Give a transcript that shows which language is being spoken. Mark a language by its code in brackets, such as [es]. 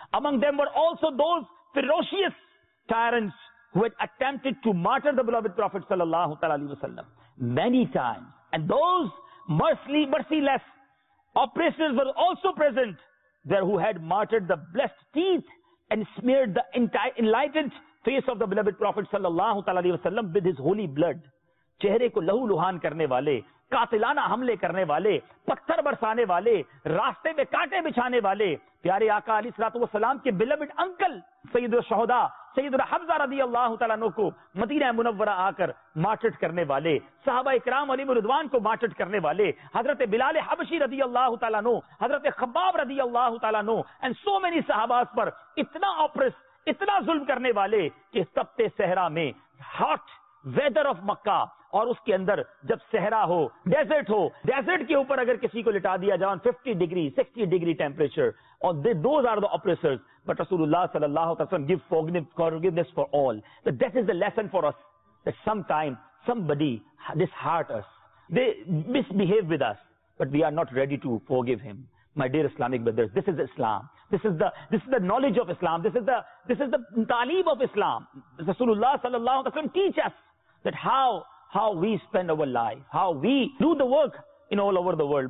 [en] Among them were also those ferocious tyrants who had attempted to martyr the beloved Prophet sallallahu alaihi wasallam many times. And those merciless oppressors were also present there who had martyred the blessed teeth and smeared the entire enlightened face of the beloved Prophet sallallahu alaihi wasallam with his holy blood. [ur] Chehre ko lahu luhan karne wale, قاتلانہ حملے کرنے والے, پتھر برسانے والے, راستے میں کانٹے بچھانے والے, پیارے آقا علیہ الصلوۃ والسلام کے بلبڈ انکل سید الشہداء سید الحفظہ رضی اللہ تعالیٰ عنہ کو مدینہ منورہ آ کر مارٹرٹ کرنے والے, صحابہ اکرام علی مردوان کو مارٹرٹ کرنے والے, حضرت بلال حبشی رضی اللہ تعالیٰ عنہ, حضرت خباب رضی اللہ تعالیٰ عنہ, [en] and so many [ur] صحابہ پر اتنا آپریس, اتنا ظلم کرنے والے کہ تپتے صحرا میں, ہاٹ ویدر آف مکہ, اور اس کے اندر جب صحرا ہو, ڈیزرٹ ہو, ڈیزرٹ کے اوپر اگر کسی کو لٹا دیا جائے 50 degree 60 degree ٹیمپریچر, اور [en] those are the oppressors, but Rasulullah sallallahu alaihi wasallam give forgiveness for all. So that is the lesson for us, that sometime somebody disheart us, they misbehave with us, but we are not ready to forgive him. My dear Islamic brothers, this is Islam. This is the knowledge of Islam. This is the talib of Islam. Rasulullah sallallahu alaihi wasallam teach us that how we spend our life, how we do the work in all over the world.